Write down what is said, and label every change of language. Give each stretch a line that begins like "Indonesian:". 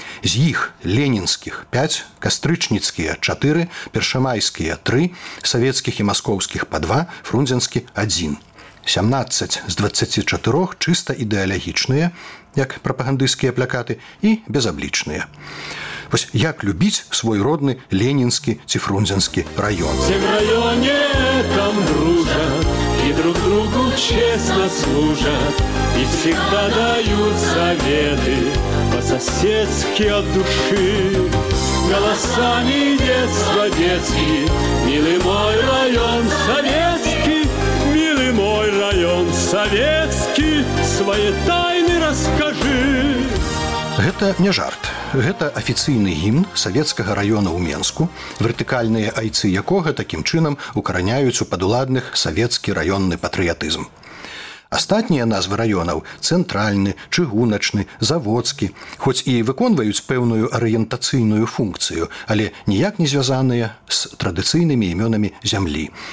Belarusian: З іх ленінскіх 5, кастрычніцкія 4, першамайскія 3, савецкіх і маскоўскіх па 2, фрунзенскі 1. 17 з 24 чыста ідэалагічныя, як прапагандысцкія плакаты, і безаблічныя. Вось як любіць свой родны ленінскі ці фрунзенскі раён.
Russian: У сім раёне там дружа. Друг другу честно служат И всегда дают советы По-соседски от души Голосами детства детски Милый мой район советский Милый мой район советский Свои тайны расскажи Это не
Belarusian: жарт. Гэта афіцыйны гімн савецкага раёна ў Менску, вертыкальныя айцы якога такім чынам укараняюць у падуладных савецкі раённы патрыятызм. Астатнія назвы раёнаў – цэнтральны, чыгуначны, заводскі, хоць і выконваюць пэўную арыентацыйную функцыю, але ніяк не звязаныя з традыцыйнымі імёнамі зямлі.